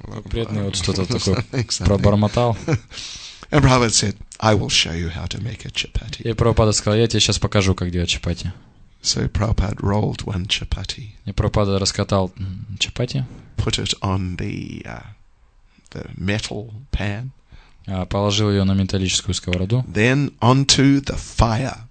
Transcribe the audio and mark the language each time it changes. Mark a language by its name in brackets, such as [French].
[Russian] "Преданный вот что-то такое пробормотал." [English] And Prabhupada said, "I will show you how to make a chapati." [Russian] И Прабхупада сказал, "Я тебе сейчас покажу, как делать чапати." [English] So Prabhupada rolled one chapati. [Russian] И Прабхупада раскатал чапати. [English] Put it on the metal pan. [Russian] Положил ее на металлическую сковороду. [English] Then onto the fire.